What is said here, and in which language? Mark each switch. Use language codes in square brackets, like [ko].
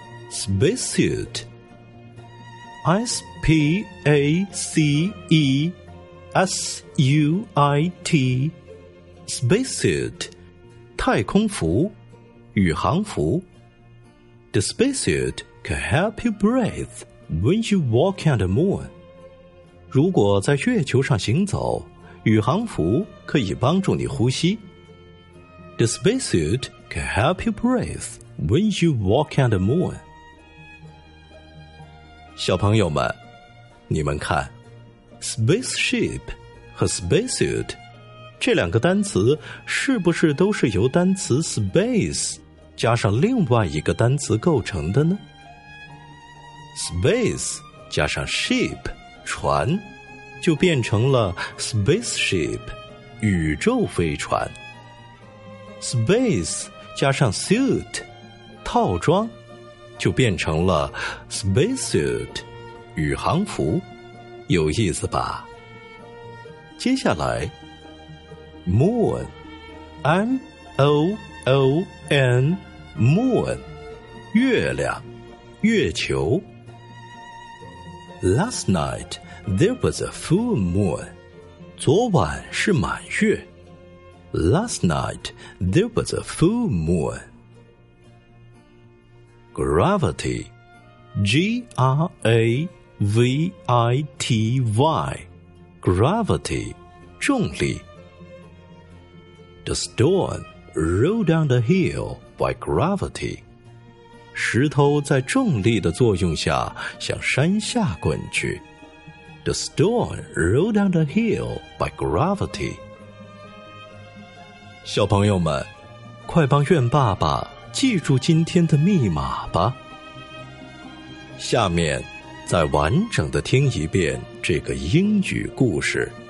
[en] Spacesuit SPACESUIT Spacesuit [zh] 太空服宇航服 [en] The spacesuit can help you breathe when you walk on the moon. [zh] 如果在月球上行走，宇航服可以帮助你呼吸。 [en] The spacesuit can help you breathe when you walk on the moon. [zh] 小朋友们，你们看 spaceship 和 spacesuit 这两个单词是不是都是由单词 space加上另外一个单词构成的呢 ？Space 加上 ship 船，就变成了 spaceship 宇宙飞船。 Space 加上 suit 套装，就变成了 spacesuit 宇航服，有意思吧？接下来 ，moon m o o nMoon, 月亮，月球。 [en] Last night, there was a full moon. [zh] 昨晚是满月。 [en] Last night, there was a full moon. Gravity, G-R-A-V-I-T-Y, gravity, 重力。 The storm rolled down the hill. By gravity, [zh] 石头在重力的作用下向山下滚去。 [en] The storm rolled down the hill by gravity. [zh] 小朋友们，快帮愿爸爸记住今天的密码吧。下面再完整的听一遍这个英语故事。